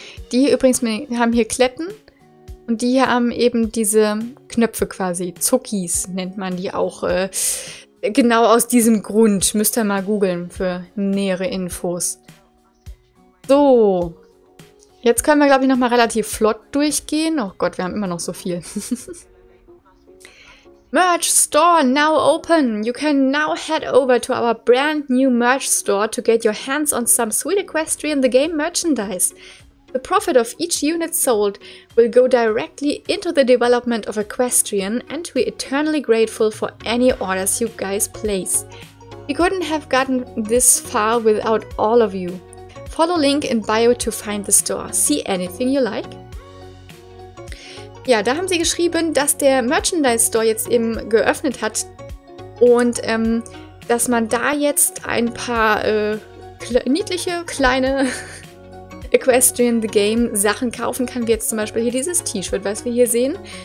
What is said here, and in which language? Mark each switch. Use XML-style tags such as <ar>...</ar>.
<de>Die hier übrigens haben hier Kletten. Und die hier haben eben diese Knöpfe quasi, Zuckis nennt man die auch. Genau aus diesem Grund, müsst ihr mal googeln für nähere Infos. So, jetzt können wir glaube ich nochmal relativ flott durchgehen. Oh Gott, wir haben immer noch so viel.</de> <en>Merch Store now open. You can now head over to our brand new Merch Store to get your hands on some sweet Equestrian the Game Merchandise. The profit of each unit sold will go directly into the development of Equestrian and we're eternally grateful for any orders you guys place. We couldn't have gotten this far without all of you. Follow link in bio to find the store. See anything you like?</en> <de>Ja, da haben sie geschrieben, dass der Merchandise Store jetzt eben geöffnet hat und dass man da jetzt ein paar niedliche kleine Equestrian The Game Sachen kaufen kann, wie jetzt zum Beispiel hier dieses T-Shirt, was wir hier sehen.</de>